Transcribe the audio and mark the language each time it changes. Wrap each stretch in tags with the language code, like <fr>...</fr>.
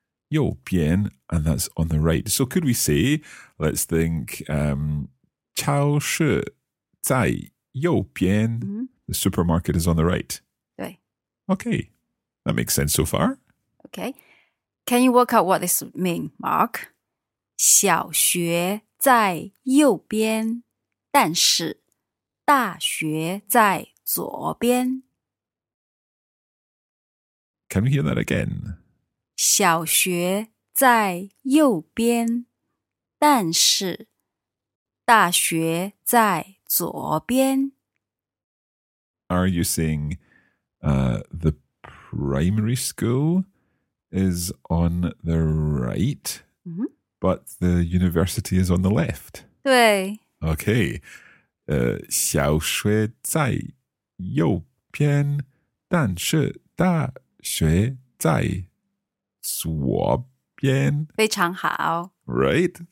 <zh>右边,</zh> <en>and that's on the right. So could we say, let's think,</en> <zh>超市在右边, mm-hmm.</zh> <en>The supermarket is on the right.</en> <zh>对.</zh> <en>Okay, that makes sense so far. Okay, can you work out what this means, Mark?</en> <zh>小学在右边, 但是大学在左边。</zh> <en>Can we hear that again?</en> <zh>小学在右边,但是大学在左边。</zh> <en>Are you saying the primary school is on the right, but the university is on the left?</en> <zh>对。 Okay. 小学在右边,但是大学在左边。非常好。Right.</zh>